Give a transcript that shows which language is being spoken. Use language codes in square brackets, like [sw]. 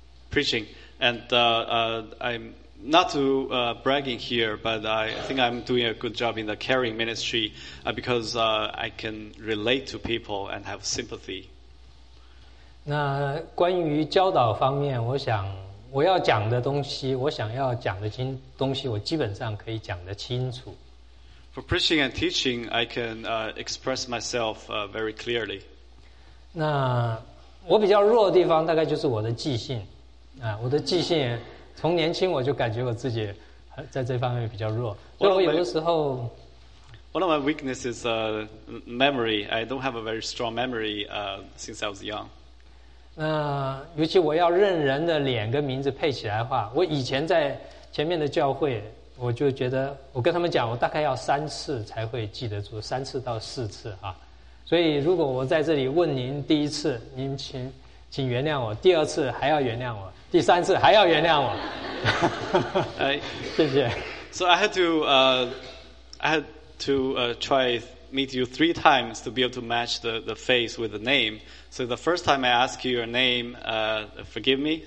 [en] preaching. I'm not to bragging here, but I think I'm doing a good job in the caring ministry because I can relate to people and have sympathy. [zh] 那关于教导方面，我想我要讲的东西，我想要讲的东西，我基本上可以讲得清楚。 [en] For preaching and teaching, I can express myself very clearly. [zh] 那我比较弱的地方，大概就是我的记性。啊，我的记性，从年轻我就感觉我自己在这方面比较弱，所以我有的时候。 [en] One of my weaknesses is memory. I don't have a very strong memory since I was young. [zh] 那尤其我要认人的脸跟名字配起来的话，我以前在前面的教会，我就觉得我跟他们讲，我大概要三次才会记得住，三次到四次啊。所以如果我在这里问您第一次，您请。请原谅我，第二次还要原谅我，第三次还要原谅我。谢谢。 [en] So I had to try meet you three times to be able to match the face with the name. So the first time I ask you your name, forgive me.